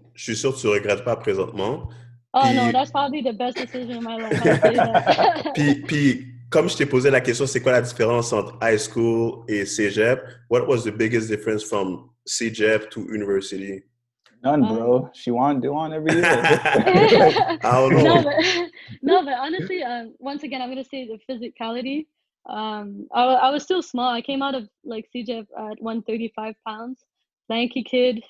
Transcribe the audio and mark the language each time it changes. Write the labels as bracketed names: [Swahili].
[French] Je suis sûr que tu ne regrettes pas présentement. [English] Oh, no, that's probably the best decision in my life. [French] Comme je t'ai posé la question, c'est quoi la différence entre high school et cégep? [English] What was the biggest difference from cégep to university? None, bro. She won, do on every year. I don't know. No, but honestly, once again, I'm going to say the physicality. I was still small. I came out of like cégep at 135 pounds. Lanky kid.